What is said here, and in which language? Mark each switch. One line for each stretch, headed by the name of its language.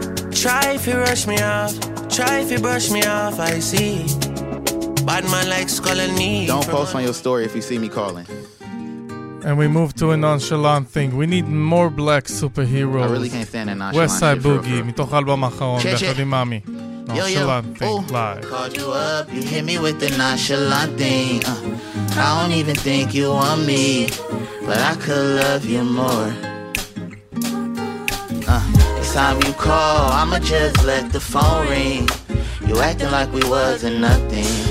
English: Try if you rush me off, try if you brush me off, I see. Bad man likes calling me. Don't post on your story if you see me calling. And we move to a nonchalant thing. We need more black superheroes. I really can't stand a nonchalant.
Hebrew: West Side Boogie, מתוך האלבום האחרון, ביחד עם מאמי.
English: Nonchalant thing, live. Called you up, you hit me with the nonchalant thing. I don't even think you want me, but I could love you more. Next time you call, I'ma just let the phone ring. You acting like we wasn't nothing.